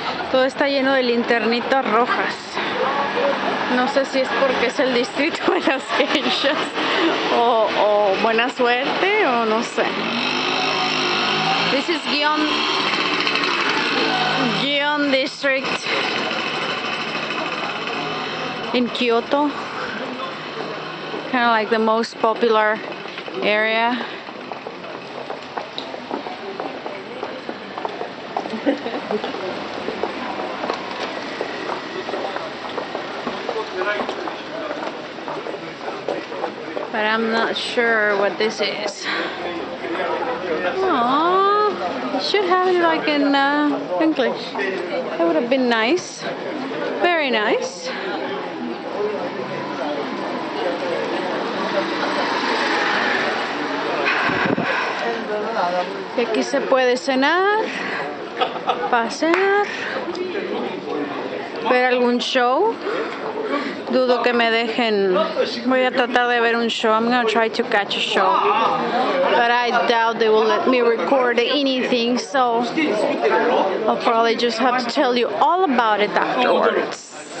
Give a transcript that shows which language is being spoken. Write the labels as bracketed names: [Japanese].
[Spanish] Todo está lleno de linternitas rojas. No sé si es porque es el distrito de las geishas o buena suerte o no sé. [English] This is Gion District in Kyoto. Kind of like the most popular area. But I'm not sure what this is. Aww, it should have it like in English. That would have been nice. Very nice. [Spanish] Y aquí se puede cenar, pasear, ver algún show. Dudo que me dejen. Voy a tratar de ver un show. [English] I'm gonna try to catch a show, but I doubt they will let me record anything. So I'll probably just have to tell you all about it afterwards.